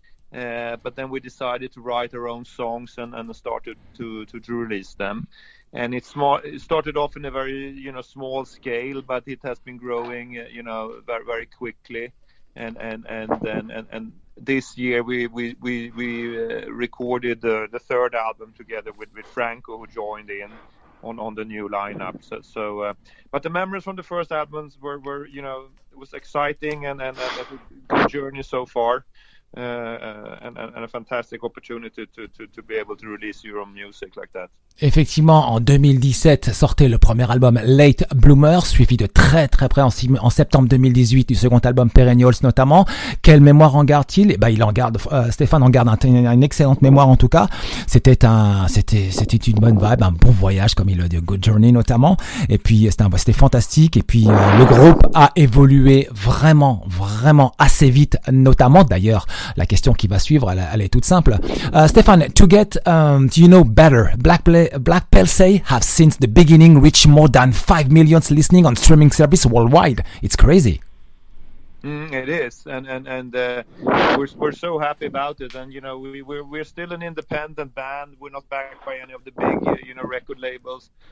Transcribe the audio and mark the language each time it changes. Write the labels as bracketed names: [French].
[English] But then we decided to write our own songs and started to release them, and it started off in a very, you know, small scale, but it has been growing, you know, very, very quickly, and then this year we recorded the third album together with Franco, who joined in on the new lineup. So but the memories from the first albums were, you know, it was exciting and a good journey so far. And a fantastic opportunity to be able to release your own music like that. [French] Effectivement, en 2017 sortait le premier album Late Bloomer, suivi de très très près en septembre 2018 du second album Perennials notamment. Quelle mémoire en garde-t-il? Eh ben, il en garde. Stéphane en garde une excellente mémoire en tout cas. C'était une bonne vibe, un bon voyage comme il le dit, [English] Good Journey [French] notamment. Et puis c'était fantastique. Et puis le groupe a évolué vraiment vraiment assez vite, notamment d'ailleurs. La question qui va suivre, elle est toute simple. [English] Stefan, to get to you know better, Black Pelsey have since the beginning reached more than 5 million listening on streaming service worldwide. It's crazy. It is, and we're so happy about it. And you know, we're still an independent band. We're not backed by any of the big, you know, record labels.